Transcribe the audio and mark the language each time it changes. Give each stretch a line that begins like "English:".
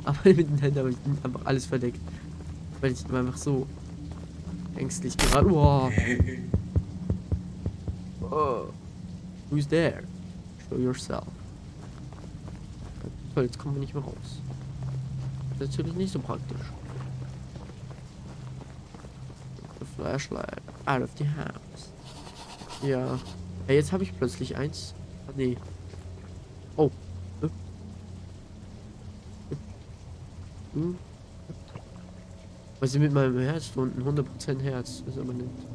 German: Aber mit den Händen habe ich einfach alles verdeckt. Weil ich einfach so ängstlich gerade. Boah.
English: Oh, who's there? Show yourself.
German: So, jetzt kommen wir nicht mehr raus. Das ist natürlich nicht so praktisch.
English: The flashlight out of the house.
German: Ja. Ja, jetzt habe ich plötzlich eins. Ach, nee. Oh. Was ist mit meinem Herz unten? 100% Herz. Das ist aber nicht.